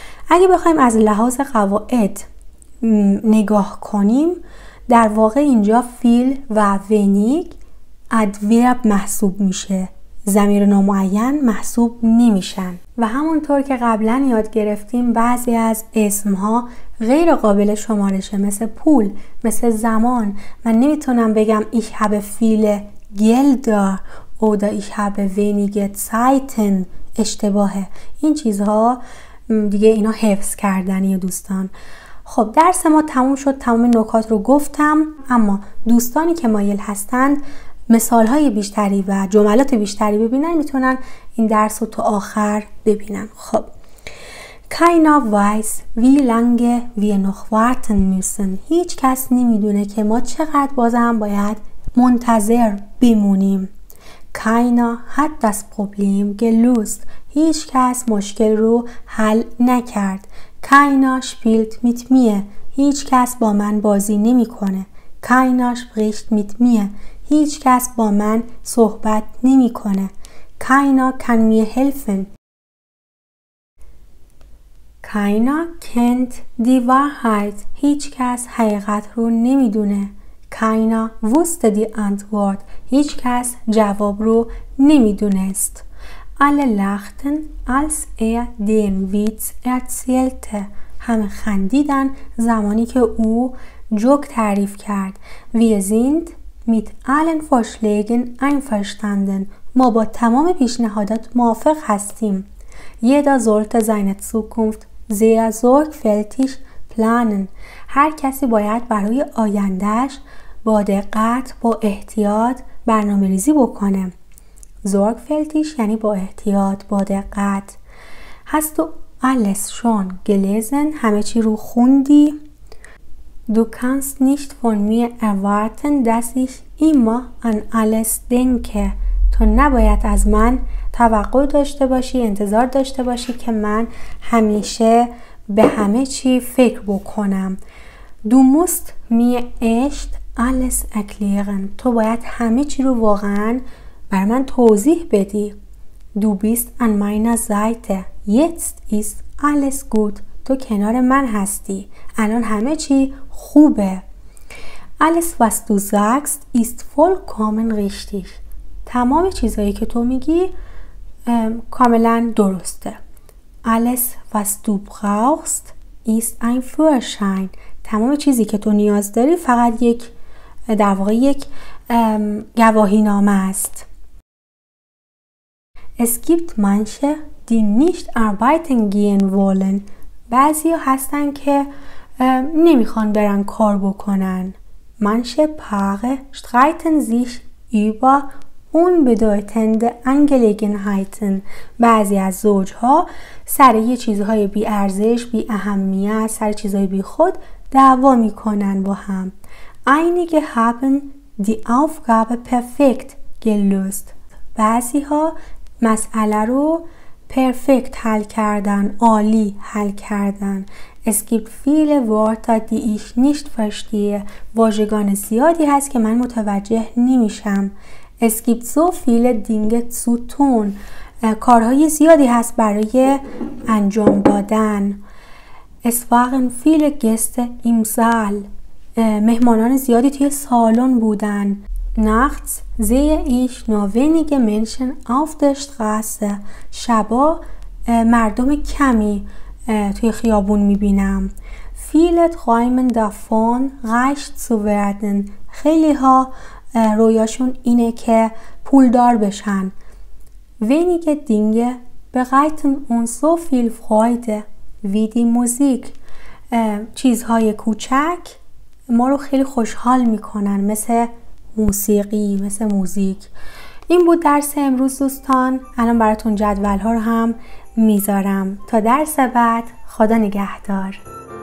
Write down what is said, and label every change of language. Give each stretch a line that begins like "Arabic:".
Persian: اگه بخوایم از لحاظ قواعد نگاه کنیم، در واقع اینجا فیل و wenig ادورب محسوب میشه، ضمیر نامعین محسوب نمیشن. و همونطور که قبلا یاد گرفتیم بعضی از اسمها غیر قابل شمارشه، مثل پول، مثل زمان. من نمیتونم بگم
German: Ich habe viel Geld oder ich habe wenige Zeiten.
Persian: اشتباهه. این چیزها دیگه اینا حفظ کردنی دوستان. خب درس ما تموم شد، تمام نکات رو گفتم، اما دوستانی که مایل هستند مثالهای بیشتری و جملات بیشتری ببینن میتونن این درس رو تو آخر ببینن.
German: خب Keiner weiß wie lange wir noch warten müssen.
Persian: هیچ کس نمیدونه که ما چقدر بازم باید منتظر بمونیم.
German: Keiner hat das Problem gelöst.
Persian: هیچ کس مشکل رو حل نکرد.
German: Keiner spielt mit mir.
Persian: هیچ کس با من بازی نمی کنه.
German: Keiner spricht mit mir.
Persian: هیچ کس با من صحبت نمی کنه.
German: Keiner kann mir helfen. Keiner kennt die Wahrheit.
Persian: هیچ کس حقیقت رو نمی دونه.
German: Keiner wusste die Antwort.
Persian: هیچ کس جواب رو نمیدونست.
German: Alle lachten als den Witz erzählte.
Persian: همه خندیدن زمانی که او جوک تعریف کرد.
German: Wir sind mit allen Vorschlägen einverstanden.
Persian: ما با تمام پیشنهادات موافق هستیم.
German: Jeder sollte seine Zukunft sehr sorgfältig planen.
Persian: هر کسی باید برای آیندهش با دقت، با احتیاط برنامه ریزی بکنه. زورگفلتیش یعنی با احتیاط، با دقت. هست و
German: alles schon gelesen،
Persian: همه چی رو خوندی.
German: Du kannst nicht von mir erwarten, dass ich immer an alles denke.
Persian: تو نباید از من توقع داشته باشی، انتظار داشته باشی که من همیشه به همه چی فکر بکنم.
German: Du musst mir echt alles erklären.
Persian: تو باید همه چی رو واقعا بر من توضیح بدی.
German: Du bist an meiner Seite. Jetzt ist alles gut.
Persian: تو کنار من هستی. الان همه چی خوبه.
German: Alles was du sagst ist vollkommen richtig.
Persian: تمام چیزایی که تو میگی کاملا درسته.
German: Alles was du brauchst ist ein Führerschein.
Persian: تمام چیزی که تو نیاز داری فقط یک در واقع یک گواهی نامه است.
German: Es gibt manche, die nicht arbeiten gehen wollen.
Persian: بعضی ها هستن که نمیخوان برن کار بکنن.
German: Manche Paare streiten sich über unbedeutende Angelegenheiten.
Persian: بعضی از زوجها سر یه چیزهای بی ارزش، بی اهمیت، سر چیزهای بی خود دعوا میکنن با هم.
German: Einige haben die Aufgabe perfekt gelöst.
Persian: بعضی ها مسئله رو پرفکت حل کردن، عالی حل کردن.
German: Es gibt viele Wörter, die ich nicht verstehe.
Persian: واژگان زیادی هست که من متوجه نمیشم.
German: Es gibt so viele Dinge zu tun.
Persian: کارهای زیادی هست برای انجام دادن.
German: Es waren viele Gäste im Saal.
Persian: مهمانان زیادی توی سالن بودن.
German: Nachts sehe ich nur wenige Menschen auf der Straße.
Persian: شبا مردم کمی توی خیابون میبینم.
German: Viele träumen davon, reich zu werden.
Persian: خیلی ها رویاشون اینه که پولدار بشن.
German: Wenige Dinge bereiten uns so viel Freude wie die Musik.
Persian: چیزهای کوچک ما رو خیلی خوشحال میکنن، مثل موسیقی، مثل موزیک. این بود درس امروز دوستان. الان براتون جدول ها رو هم میذارم. تا درس بعد، خدا نگهدار.